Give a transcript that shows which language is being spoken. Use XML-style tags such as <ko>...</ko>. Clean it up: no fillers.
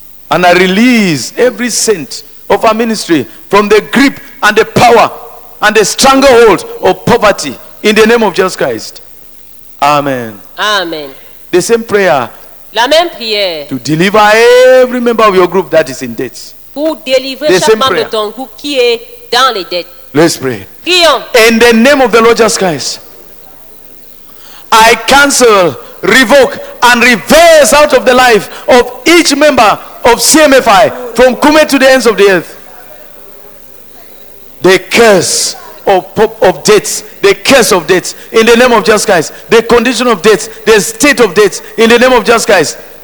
<en>And I release every cent of our ministry from the grip and the power and the stranglehold of poverty. In the name of Jesus Christ. Amen. Amen. The same prayer.</en> <fr>La même prière.</fr> <en>To deliver every member of your group that is in debt.</en> <fr>Pour délivrer chaque membre de ton groupe qui est dans les dettes.</fr> <en>Let's pray.</en> <fr>Prions.</fr> <en>In the name of the Lord Jesus Christ. I cancel, revoke, and reverse out of the life of each member of CMFI from Kume to the ends of the earth. The curse of debts, the curse of debts in the name of Jesus Christ, the condition of debts, the state of debts in the name of Jesus Christ.</en>